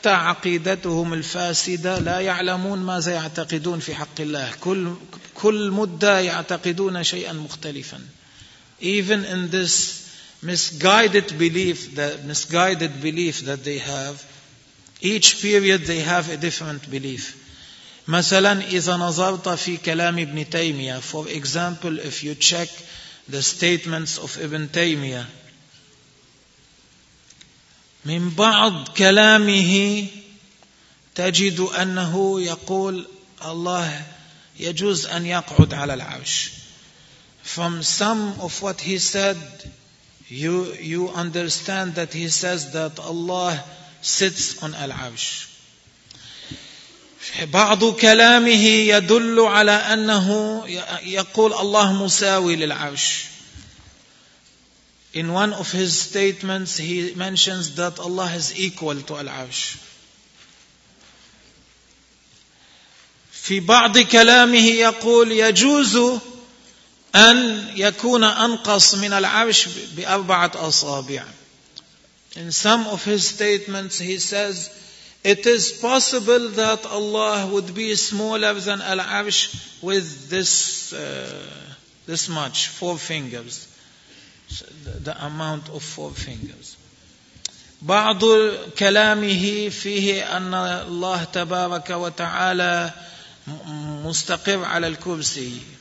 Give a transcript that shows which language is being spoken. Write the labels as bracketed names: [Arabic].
[Arabic] حتى عقيدتهم الفاسدة لا يعلمون ماذا يعتقدون في حق الله. كل مدة يعتقدون شيئا مختلفا. [English] Even in this misguided belief that they have, each period they have a different belief. [Arabic] مثلا إذا نظرت في كلام ابن تيمية, [English] for example, if you check the statements of Ibn Taymiyyah, [Arabic] من بعض كلامه تجد أنه يقول الله يجوز أن يقعد على العرش. [English] From some of what he said, you understand that he says that Allah sits on العرش. [Arabic] بعض كلامه يدل على أنه يقول الله مساوي للعرش. [English] In one of his statements, he mentions that Allah is equal to Al-Arsh. [Arabic] في بعض كلامه يقول يجوز أن يكون أنقص من العرش بأربعة أصابع. [English] In some of his statements, he says, it is possible that Allah would be smaller than Al-Arsh with this much, four fingers. The amount of four fingers. [Arabic] بعض كلامه فيه أن الله تبارك وتعالى مستقر على الكرسي.